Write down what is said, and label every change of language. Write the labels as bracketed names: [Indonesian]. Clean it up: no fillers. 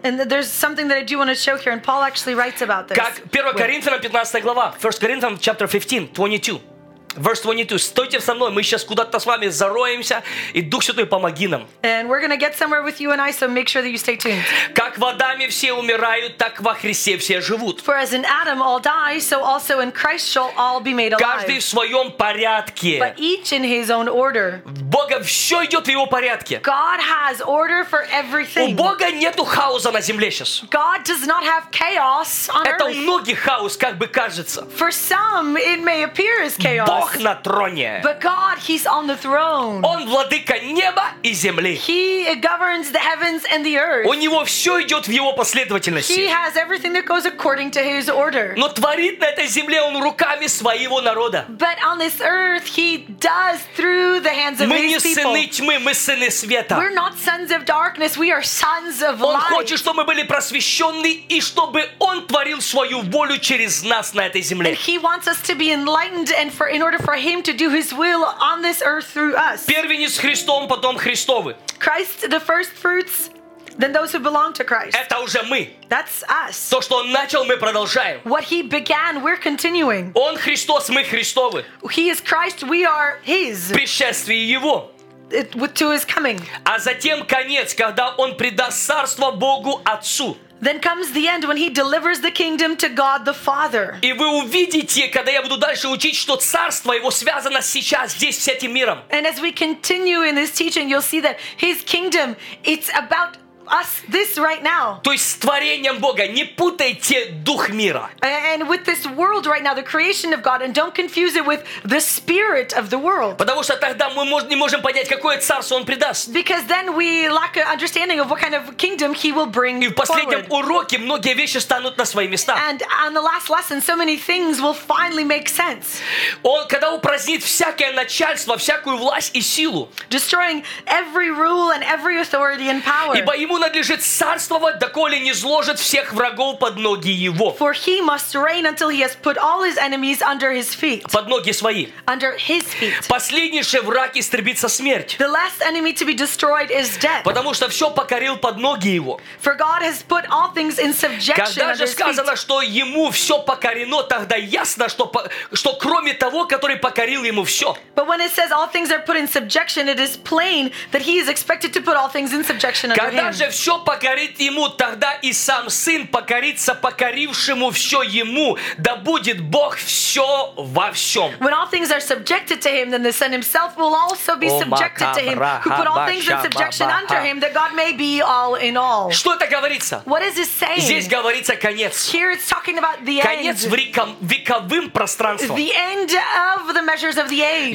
[English] And there's something that I do want to show here, and Paul actually writes about this. [Russian] Как 1 Коринфянам 15 глава, [English] 1 Corinthians chapter 15. 22. Verse 22. [Russian] Стойте со мной, мы сейчас куда-то с вами зароемся, и Дух Святой помоги нам. [English] And we're going to get somewhere with you and I, so make sure that you stay tuned. [Russian] Как в Адаме все умирают, так во Христе все живут. [English] For as in Adam all die, so also in Christ shall all be made alive. [Russian] Каждый в своем порядке. [English] But each in his own order. [Russian] Бога все идет в его порядке. [English] God has order for everything. [Russian] У Бога нету хаоса на земле сейчас. [English] God does not have chaos on earth. [Russian] Это у многих хаос, как бы кажется. [English] For some, it may appear as chaos. [Russian] Бог на троне. [English] But God, He's on the throne. [Russian] Он владыка неба и земли. [English] He governs the heavens and the earth. [Russian] У него все идет в его последовательности. [English] He has everything that goes according to His order. [Russian] Но творит на этой земле он руками своего народа. [English] But on this earth, He does through the hands of [Russian] Мы не сыны тьмы, мы сыны света. [English] We're not sons of darkness, we are sons of light. [Russian] Он хочет, чтобы мы были просвещены и чтобы Он творил свою волю через нас на этой земле. [English] And He wants us to be enlightened and in order for Him to do His will on this earth through us. [Russian] Первенец Христом, потом Христовы. [English] Christ, the first fruits, then those who belong to Christ. [Russian] Это уже мы. [English] That's us. [Russian] То, что Он начал, мы продолжаем. [English] What He began, we're continuing. [Russian] Он Христос, мы Христовы. [English] He is Christ, we are His. [Russian] Пришествие Его. [English] To His coming. [Russian] А затем конец, когда Он предаст царство Богу Отцу. [English] Then comes the end when He delivers the kingdom to God the Father. [Russian] И вы увидите, когда я буду дальше учить, что царство Его связано сейчас здесь с этим миром. [English] And as we continue in this teaching, you'll see that His kingdom, it's about us, this right now. [Russian] То есть с творением Бога. Не путайте дух мира. [English] And with this world right now, the creation of God, and don't confuse it with the spirit of the world. [Russian] Потому что тогда мы не можем понять, какое царство Он придаст. [English] Because then we lack an understanding of what kind of kingdom He will bring forward. [Russian] И в последнем уроке многие вещи станут на свои места. [English] And on the last lesson, so many things will finally make sense. [Russian] Он, когда упразднит всякое начальство, всякую власть и силу. [English] Destroying every rule and every authority and power. [Russian] Ему надлежит царствовать, доколе не сложит всех врагов под ноги Его. [English] For He must reign until He has put all His enemies under His feet. [Russian] Под ноги свои. [English] Under His feet. [Russian] Последний же враг истребится смерть. [English] The last enemy to be destroyed is death. [Russian] Потому что все покорил под ноги Его. [English] For God has put all things in subjection under His feet. [Russian] Когда же сказано, что Ему все покорено, тогда ясно, что кроме того, который покорил Ему все. [English] But when it says all things are put in subjection, it is plain that He is expected to put all things in subjection under Him. [Russian] Даже все покорит Ему, тогда и сам Сын покорится покорившему все Ему, да будет Бог все во всем. [English] When all things are subjected to Him, then the Son Himself will also be subjected to Him, who put all things in subjection under Him, that God may be all in all. [Russian] Что это говорится? [English] What is this saying? [Russian] Здесь говорится конец. [English] Here it's talking about the end. [Russian] Конец вековым пространством. [English] The end of the measures of the age.